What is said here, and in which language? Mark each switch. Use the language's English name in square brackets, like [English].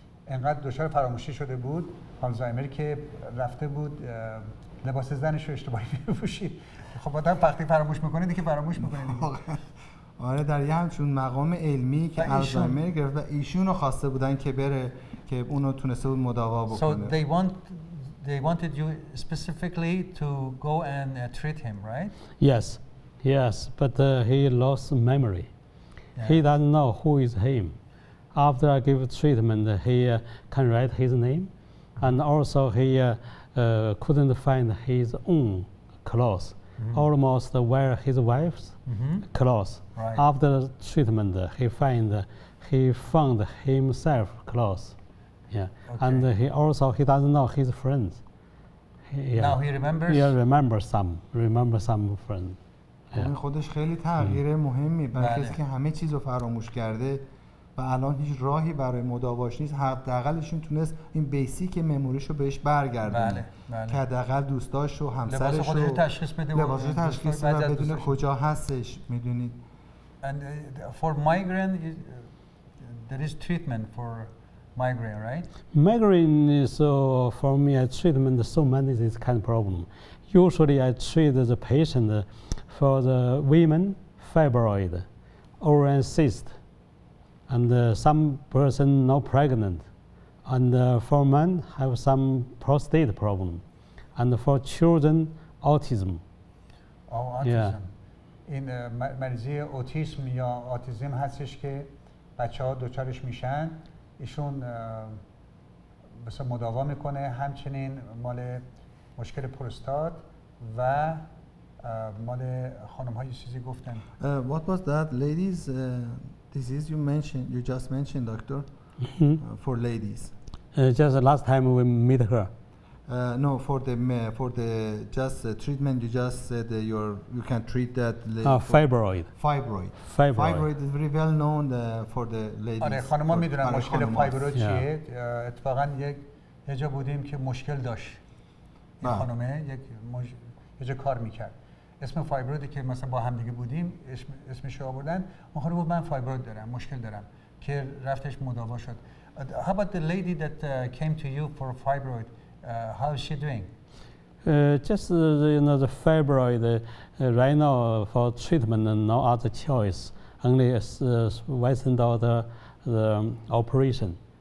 [Persian] انقدر دچار فراموشی شده بود آلزایمر که رفته بود لباس زنش رو اشتباهی میپوشید. خب آدم وقتی فراموش میکنه دیگه فراموش میکنه. آره در یه همچون مقام علمی که آلزایمر گرفت و ایشون رو خواسته بودن که بره که اونو تونسته بود مداوا بکنه. [English] So they wanted you specifically to go and treat him, right? Yes. Yes, but he lost memory. Yeah. He doesn't know who is him. After I give treatment, he can write his name, and also he couldn't find his own clothes, almost wear his wife's clothes. Right. After treatment, he found himself clothes. Yeah, okay. And he doesn't know his friends. Now he remembers. Yeah, remember some friends. [Persian] خب خودش خیلی تغییر مهمی برای کسی که همه چیزو فراموش کرده و الان هیچ راهی برای مداواش نیست، حداقلشون تونست این بیسیک مموریشو بهش برگردونه. بله. که حداقل دوستاشو همسرشو لباسشو تشخیص بده، لباسشو تشخیص بده بدون کجا هستش، میدونید. [English] And for migraine there is treatment for migraine, right? Migraine is for me a treatment so many this kind of problem. Usually I treat the patient for the women, fibroid, ovarian cyst, and some person not pregnant, and for men have some prostate problem, and for children, autism. Oh, autism. Yeah. [Persian] این مریضی اوتیسم یا آتیزم هستش که بچه ها دوچارش میشن، ایشون مثلا مداوا میکنه، همچنین مال مشکل پروستات و مال خانم های چیزی گفتن. [English] What was that ladies disease you mentioned, you just mentioned doctor, for ladies? Just the last time we meet her. No, for the treatment you just said you can treat that fibroid. Fibroid is very well known for the ladies. [Persian] آره خانم ها میدونن مشکل فایبروید چیه. اتفاقا یه جا بودیم که مشکل داشت این خانمه، یه جا کار میکرد، اسم فایبرودی که مثلا با هم دیگه بودیم اسمش رو آوردن، اون خانم گفت من فایبروید دارم، مشکل دارم، که رفتش مداوا شد. [English] How about the lady that came to you for fibroid, how is she doing? Just the fibroid right now for treatment and no other choice, only Western daughter the operation.